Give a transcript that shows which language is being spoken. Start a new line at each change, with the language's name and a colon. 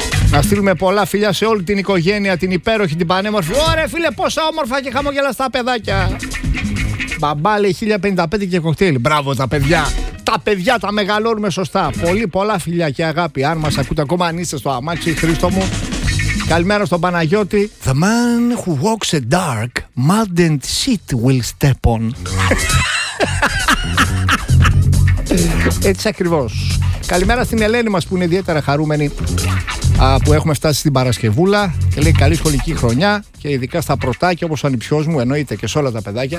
Greek: Να στείλουμε πολλά φιλιά σε όλη την οικογένεια, την υπέροχη, την πανέμορφη. Ωραία, φίλε, πόσα όμορφα και χαμογελαστά παιδάκια. Μπαμπά, λέει, 1055 και κοκτέιλ. Μπράβο, τα παιδιά. Τα παιδιά τα μεγαλώνουμε σωστά. Πολύ, πολλά φιλιά και αγάπη. Αν μας ακούτε ακόμα, αν είστε στο αμάξι, Χρήστο μου. Καλημέρα στον Παναγιώτη.
English: The man who walks a dark, maddened shit will step on.
Greek: Έτσι ακριβώς. Καλημέρα στην Ελένη μας που είναι ιδιαίτερα χαρούμενη. Που έχουμε φτάσει στην Παρασκευούλα και λέει καλή σχολική χρονιά και ειδικά στα πρωτάκια όπως ο ανιψιός μου, εννοείται και σε όλα τα παιδάκια.